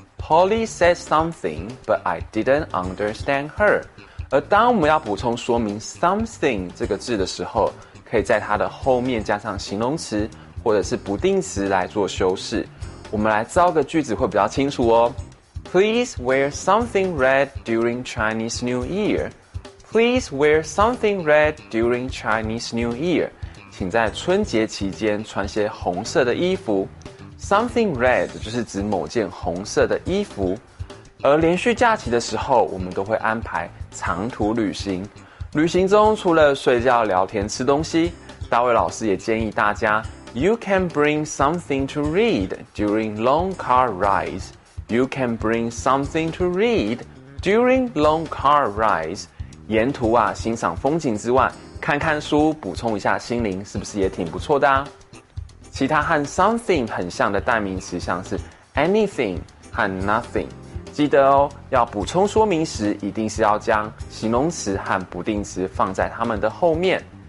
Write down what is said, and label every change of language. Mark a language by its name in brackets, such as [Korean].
[English] Polly said something but I didn't understand her。 [Chinese] 而当我们要补充说明 something 这个字的时候，可以在它的后面加上形容词或者是不定词来做修饰。我们来造个句子会比较清楚哦。 [English] Please wear something red during Chinese New Year. Please wear something red during Chinese New Year. [Chinese] 请在春节期间穿些红色的衣服。 [English] Something red [Chinese] 就是指某件红色的衣服。而连续假期的时候，我们都会安排长途旅行。旅行中除了睡觉、聊天、吃东西，大卫老师也建议大家 ， [English] You can bring something to read during long car rides. You can bring something to read during long car rides. [Chinese] 沿途啊，欣赏风景之外，看看书，补充一下心灵，是不是也挺不错的啊？其他和 something 很像的代名词，像是 anything 和 nothing。记得哦，要补充说明时，一定是要将形容词和不定词放在它们的后面。